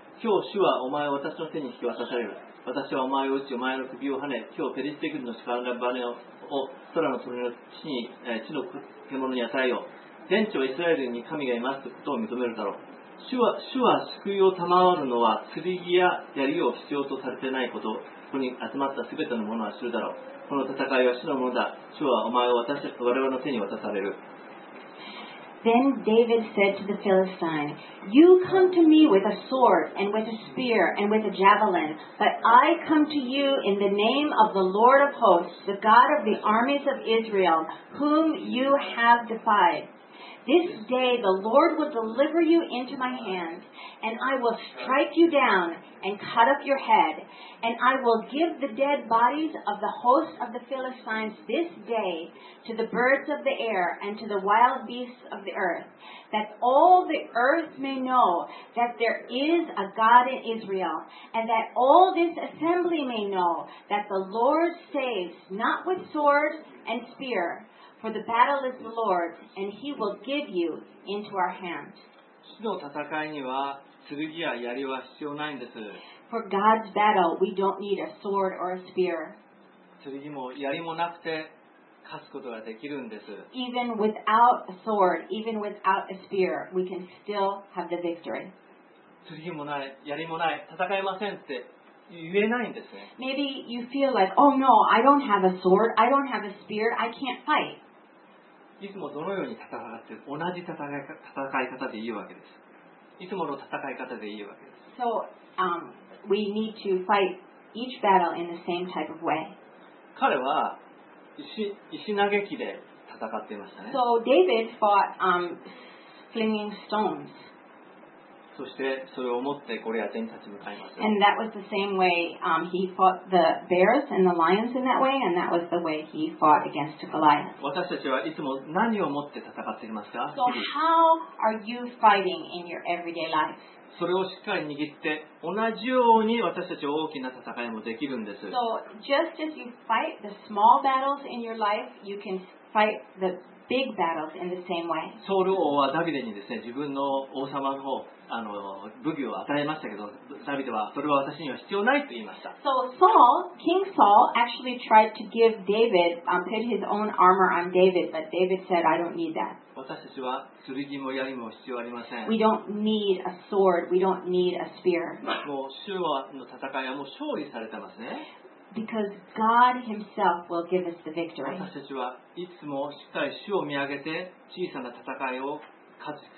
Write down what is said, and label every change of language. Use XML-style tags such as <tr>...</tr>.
<ja>今日主はお前を私の手に引き渡される。私はお前を打ち、お前の首を跳ね、今日ペリシテ軍の力のバネを空の鳥の地に、地の獣に与えよう。全地はイスラエルに神がいますということを認めるだろう。主は救いを賜るのは、剣や槍を必要とされていないこと、ここに集まったすべての者は知るだろう。この戦いは主のものだ。主はお前を私たち、我々の手に渡される。</ja> <en>Then David said to the Philistine, You come to me with a sword and with a spear and with a javelin, but I come to you in the name of the Lord of hosts, the God of the armies of Israel, whom you have defied. This day the Lord will deliver you into my hand, and I will strike you down and cut off your head, and I will give the dead bodies of the host of the Philistines this day to the birds of the air and to the wild beasts of the earth, that all the earth may know that there is a God in Israel, and that all this assembly may know that the Lord saves not with sword and spear, for the battle is the Lord's, and he will give you into our hand.</en> <ja>剣や槍は必要ないんです。</ja> <en>For God's battle, we don't need a sword or a spear.</en> <ja>剣も槍もなくて勝つことができるんです。</ja> <en>Even without a sword, even without a spear, we can still have the victory.</en> <ja>剣もない、槍もない、戦えませんって言えないんですね。</ja> <en>Maybe you feel like, oh no, I don't have a sword, I don't have a spear, I can't fight.</en> <ja>いつもどのように戦っても同じ戦い方でいいわけです。いつもの戦い方でいいわけです。</ja> <en>So, we need to fight each battle in the same type of way.</en> <ja>彼は石投げ機で戦っていましたね。</ja> <en>So David fought, flinging stones.</en> <ja>そしてそれを持ってゴリアテに立ち向かいます。</ja> <en>And that was the same way, he fought the bears and the lions in that way, and that was the way he fought against Goliath.</en> <ja>私たちはいつも何を持って戦っていますか</ja> <en>？So how are you fighting in your everyday life?</en> <ja>それをしっかり握って同じように私たちは大きな戦いもできるんです。</ja> <en>So just as you fight the small battles in your life, you can fight the big battles in the same way.</en> <ja>ソウル王はダビデにですね、自分の王様の方武器を与えましたけど、ダビデはそれは私には必要ないと言いました。</ja> <en>So Saul, King Saul, actually tried to give David, put his own armor on David, but David said, I don't need that.</en> <ja>私たちは剣も槍も必要ありません。</ja> <en>We don't need a sword, we don't need a spear.</en> <ja>もう主はの戦いはもう勝利されてますね。</ja> <en>Because God Himself will give us the victory.</en> <ja>私たちはいつもしっかり主を見上げて小さな戦いを勝つ。</ja>